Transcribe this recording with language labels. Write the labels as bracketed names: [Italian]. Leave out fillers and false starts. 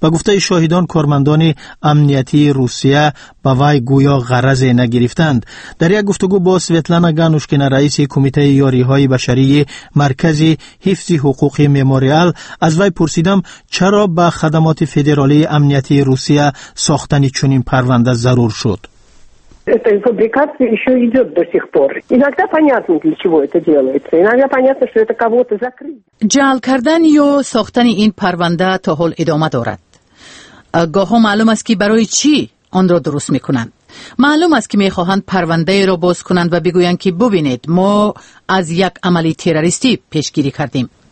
[Persian] به گفته شاهدان کارمندان امنیتی روسیه با وای گویا غرض نگرفتند. در یک گفتگو با سویتلانا گانوشکینا رئیس کمیته یاری های بشری مرکز حفظ حقوق مموریال از وای پرسیدم چرا با خدمات فدرالی امنیتی روسیه ساختن چنین پرونده ضرور شد. [Russian] Эта фабрикация еще идет до сих пор. Иногда понятно, для чего это делается. Иногда понятно, что это кого-то закрыть. [Persian] جعل کردن یا ساختن این پرونده تا حال ادامه دارد. گاه معلوم است که برای چی آن را درست میکنند. معلوم است که میخواهند پرونده را باز کنند و بگویند که ببینید ما از یک عملی تروریستی پیشگیری کردیم.